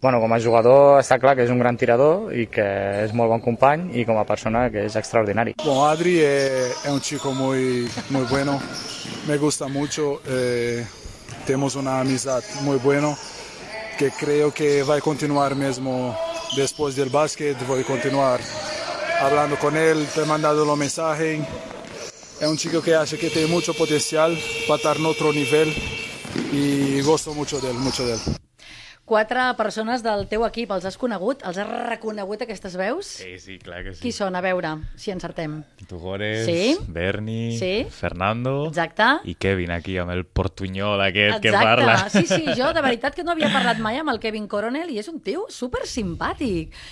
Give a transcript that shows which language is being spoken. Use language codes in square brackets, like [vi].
[ca] Bueno, com a jugador està clar que és un gran tirador i que és molt bon company i com a persona que és extraordinari. [es] Bueno, Adri es un chico muy, muy bueno, me gusta mucho, tenemos una amistad muy buena que creo que va a continuar mismo después del básquet, voy a continuar hablando con él, te he mandado los mensajes. Es un chico que hace que tiene mucho potencial para estar en otro nivel y gusto mucho de él, mucho de él. [ca] Quatre persones del teu equip, els has conegut? Els has reconegut, aquestes veus? Sí, clar que sí. Qui són? A veure, si encertem. Tugores, sí. Berni, sí. Fernando... Exacte. I Kevin, aquí, amb el portuñol aquest. Exacte. Que parla. Sí, jo de veritat que no havia parlat mai amb el Kevin Coronel i és un tio supersimpàtic.